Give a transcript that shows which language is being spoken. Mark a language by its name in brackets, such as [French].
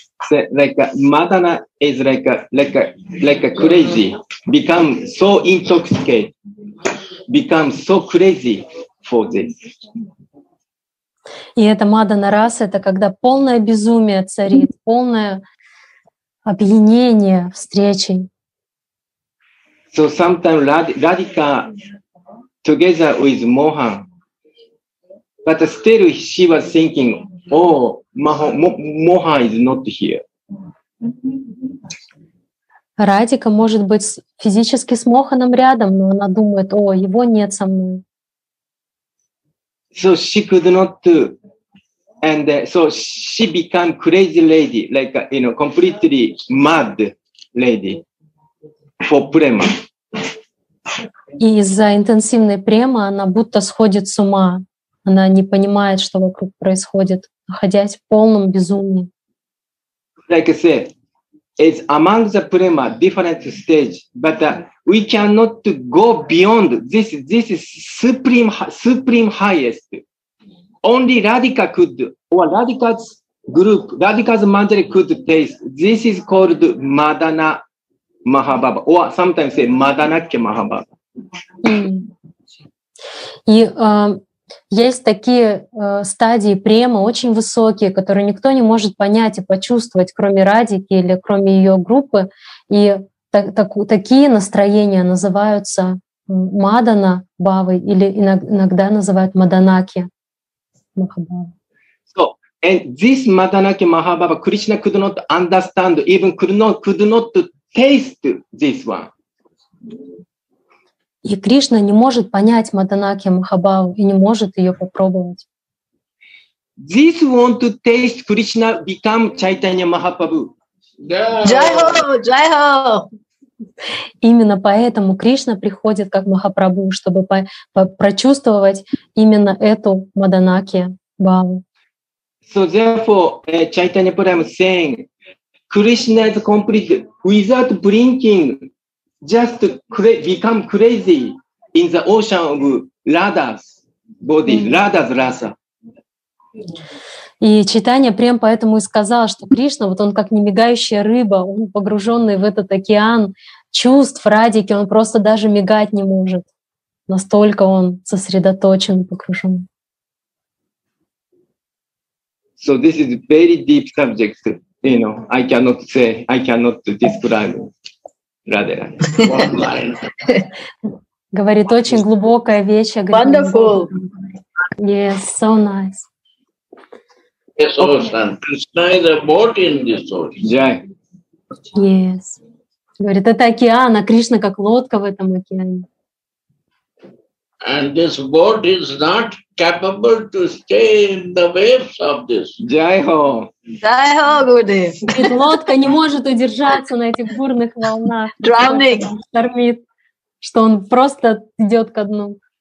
[English] Like Madana is like a crazy, become so crazy for this. [Russian] И это Мадана Рас, это когда полное безумие царит, полное опьянение встречей. [English] So sometimes Radhika together with Mohan, but still she was thinking, oh, Mohan is not here. [Russian] Радика может быть физически с Моханом рядом, но она думает: о, его нет со мной. [English] So she could not do, and so she became crazy lady, like you know, completely mad lady for prema. [Russian] И из-за интенсивной премы она будто сходит с ума. Она не понимает, что вокруг происходит, находясь в полном безумии. [English] Like I said, it's among the prema different stage, but we cannot go beyond this. This is supreme highest. Only Radhika could, or Radhika's group, Radhika's mandala could taste. This is called Madana Mahabhava, or sometimes say Madanakya Mahabhava. [Russian] Есть такие стадии премы, очень высокие, которые никто не может понять и почувствовать, кроме Радики или кроме ее группы. И такие настроения называются Мадана Бавы или иногда называют Маданаки Махабава. [English] So, and this Маданаки Махабава, Кришна could not understand, even could not taste this one. [Russian] И Кришна не может понять Маданаки Махабаву и не может ее попробовать. [English] This want to taste Krishna become Chaitanya Mahaprabhu. [Hindi] Jai Ho! Jai Ho! [Russian] Именно поэтому Кришна приходит как Махапрабху, чтобы прочувствовать именно эту Маданаки Бхаву. [English] So therefore, Chaitanya Prabhu is saying, Krishna is complete without blinking. Just become crazy in the ocean of Radha's body, Radha's rasa. [Russian] И Чайтанья Прем поэтому и сказал, что Кришна, вот он как немигающая рыба, он погруженный в этот океан чувств Радики, он просто даже мигать не может. Настолько он сосредоточен, погружен. [English] So this is a very deep subject, you know. I cannot say, I cannot describe. Rather, [Russian] говорит очень глубокая вещь. [English] Wonderful. Yes, so nice. Yes, okay. The boat in this ocean. Yeah. Yes. [Russian] Говорит, это океан, а Кришна как лодка в этом океане. [English] And this boat is not capable to stay in the waves of this. [Hindi] Jai Ho. Jai Ho, Gurudev. [Russian] Лодка не может удержаться на этих бурных волнах. [English] Drowning. [Russian] Штормит, что он просто идет ко дну.